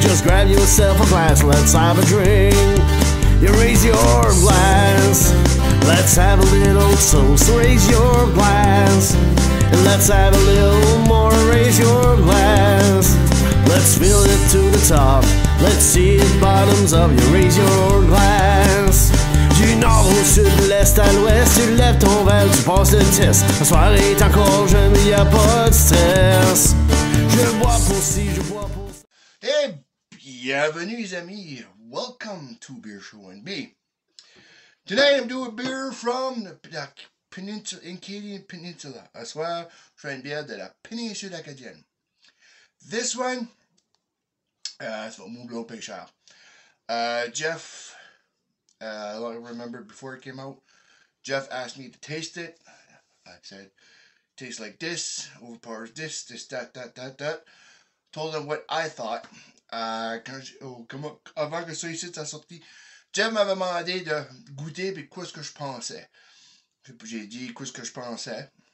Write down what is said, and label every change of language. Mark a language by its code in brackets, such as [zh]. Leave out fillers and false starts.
[en] Just grab yourself a glass, let's have a drink. You raise your glass, let's have a little toast. Raise your glass, and let's have a little more. Raise your glass, let's fill it to the top. Let's see it bottoms up. You raise your glass. [fr] Du nord au sud, de l'est à l'ouest, tu lèves ton verre, tu passes le test. La soirée est encore jeune, y a pas de stress. Je bois pour si, je bois pour si. Et bienvenue, les amis. [en] Welcome to Beer Show NB. Today I'm doing beer from the peninsula, Acadian Peninsula. [fr] À soir, je fais une bière de la péninsule acadienne. [en] This one, it's from Houblon, Pecheur. Jeff, I remember before it came out, Jeff asked me to taste it. I said, tastes like this, overpowers this, this, that, that, that, that. Told him what I thought. [fr] Comment, avant que celui-ci soit sorti, Jeff m'avait demandé de goûter puis qu'est-ce que je pensais. J'ai dit qu'est-ce que je pensais.